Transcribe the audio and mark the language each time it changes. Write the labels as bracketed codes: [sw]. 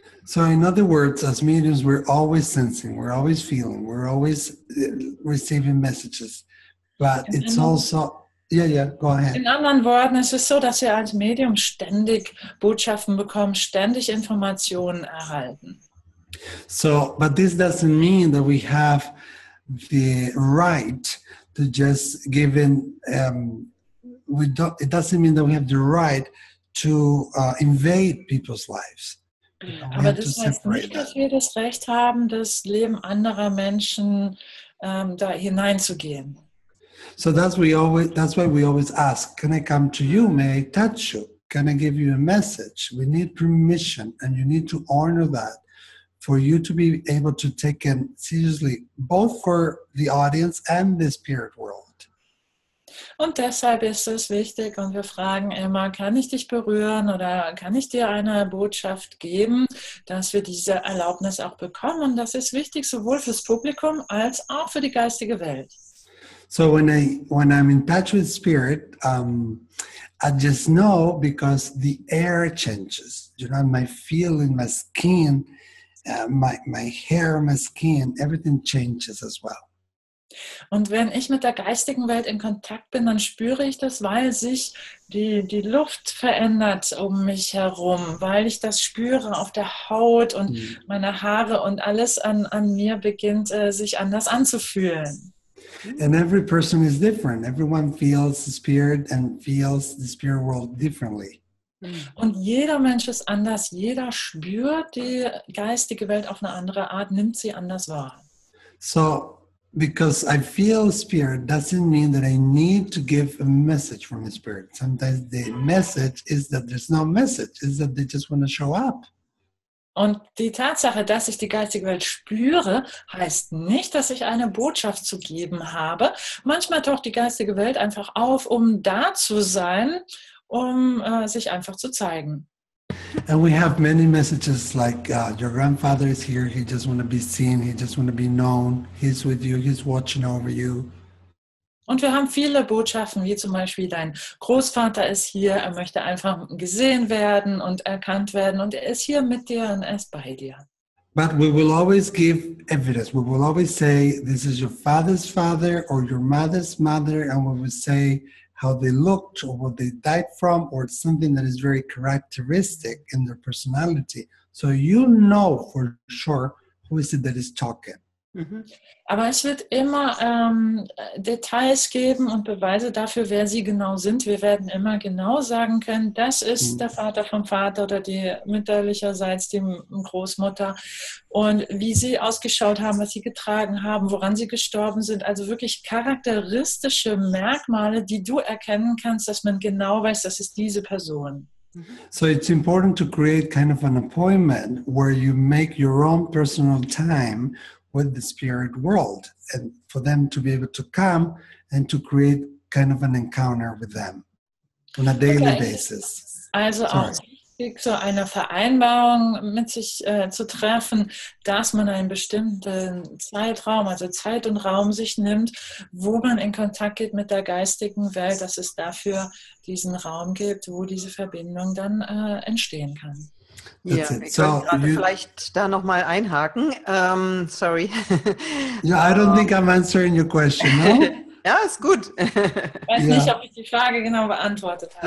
[en] So in other words, as mediums, we're always sensing, we're always feeling, we're always receiving messages. But it's also, go ahead. [de] In anderen Worten, es ist so, dass wir als Medium ständig Botschaften bekommen, ständig Informationen erhalten. [en] So, but this doesn't mean that we have the right to just give in, invade people's lives. [de] Aber das heißt nicht, dass wir das Recht haben, das Leben anderer Menschen da hineinzugehen. [en] So that's why we always ask, can I come to you? May I touch you? Can I give you a message? We need permission and you need to honor that for you to be able to take it seriously, both for the audience and the spirit world. [de] Und deshalb ist es wichtig und wir fragen immer, kann ich dich berühren oder kann ich dir eine Botschaft geben, dass wir diese Erlaubnis auch bekommen. Und das ist wichtig sowohl fürs Publikum als auch für die geistige Welt. [en] So when I'm in touch with spirit, I just know because the air changes, you know, my feeling, my skin, my hair, my skin, everything changes as well. [de] Und wenn ich mit der geistigen Welt in Kontakt bin, dann spüre ich das, weil sich die Luft verändert um mich herum, weil ich das spüre auf der Haut und meine Haare und alles an mir beginnt sich anders anzufühlen. [en] And every person is different. Everyone feels the spirit world differently. [de] Und jeder Mensch ist anders. Jeder spürt die geistige Welt auf eine andere Art, nimmt sie anders wahr. [en] So, because I feel spirit doesn't mean that I need to give a message from the spirit. Sometimes the message is that there's no message, is that they just want to show up. [de] Und die Tatsache, dass ich die geistige Welt spüre, heißt nicht, dass ich eine Botschaft zu geben habe. Manchmal taucht die geistige Welt einfach auf, um da zu sein, um sich einfach zu zeigen. [en] And we have many messages like, your grandfather is here, he just want to be seen, he just want to be known, he's with you, he's watching over you. [de] Und wir haben viele Botschaften, wie zum Beispiel, dein Großvater ist hier, er möchte einfach gesehen werden und erkannt werden und er ist hier mit dir und er ist bei dir. [en] But we will always give evidence. We will always say, this is your father's father or your mother's mother, and we will say how they looked or what they died from or something that is very characteristic in their personality. So you know for sure who is it that is talking. [de] Aber es wird immer Details geben und Beweise dafür, wer sie genau sind. Wir werden immer genau sagen können, das ist der Vater vom Vater oder die mütterlicherseits, die Großmutter. Und wie sie ausgeschaut haben, was sie getragen haben, woran sie gestorben sind. Also wirklich charakteristische Merkmale, die du erkennen kannst, dass man genau weiß, das ist diese Person. [en] So it's important to create kind of an appointment where you make your own personal time with the spirit world and for them to be able to come and to create kind of an encounter with them on a daily basis. [de] Also auch wichtig, so eine Vereinbarung mit sich zu treffen, dass man einen bestimmten Zeitraum, also Zeit und Raum sich nimmt, wo man in Kontakt geht mit der geistigen Welt, dass es dafür diesen Raum gibt, wo diese Verbindung dann entstehen kann. That's ja, ich könnte gerade vielleicht da nochmal einhaken. Sorry. [en] Yeah, I don't think I'm answering your question, no? [de] Ja, ist gut. Ich weiß nicht, ob ich die Frage genau beantwortet habe.